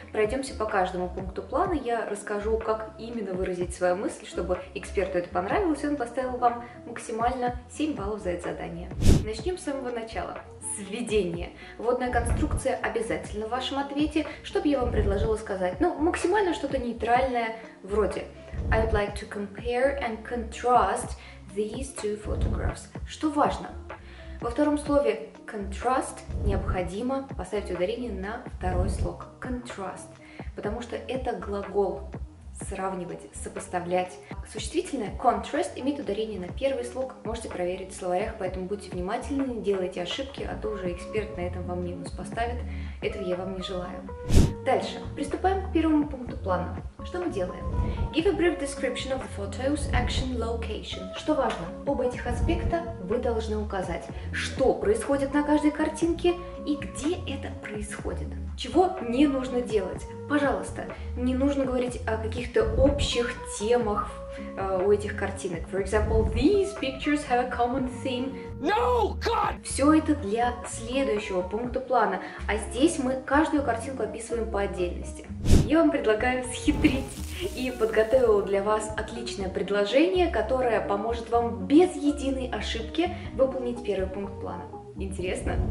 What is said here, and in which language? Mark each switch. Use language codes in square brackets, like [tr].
[ru] Пройдемся по каждому пункту плана, я расскажу, как именно выразить свою мысль, чтобы эксперту это понравилось, и он поставил вам максимально 7 баллов за это задание. Начнем с самого начала. Сведение. Вводная конструкция обязательно в вашем ответе. Что бы я вам предложила сказать? Ну, максимально что-то нейтральное вроде. [en] I'd like to compare and contrast these two photographs. [ru] Что важно? Во втором слове contrast необходимо поставить ударение на второй слог. [en] Contrast. [ru] Потому что это глагол сравнивать, сопоставлять. Существительное contrast имеет ударение на первый слог. Можете проверить в словарях, поэтому будьте внимательны, не делайте ошибки, а то уже эксперт на этом вам минус поставит. Этого я вам не желаю. Дальше. Приступаем к первому пункту плана. Что мы делаем? [en] Give a brief description of the photos, action, location. [ru] Что важно? Оба этих аспекта вы должны указать. Что происходит на каждой картинке и где это происходит. Чего не нужно делать? Пожалуйста, не нужно говорить о каких-то общих темах у этих картинок. [en] For example, these pictures have a common theme. No, God! [ru] Все это для следующего пункта плана. А здесь мы каждую картинку описываем по отдельности. Я вам предлагаю схитрить и подготовила для вас отличное предложение, которое поможет вам без единой ошибки выполнить первый пункт плана. Интересно?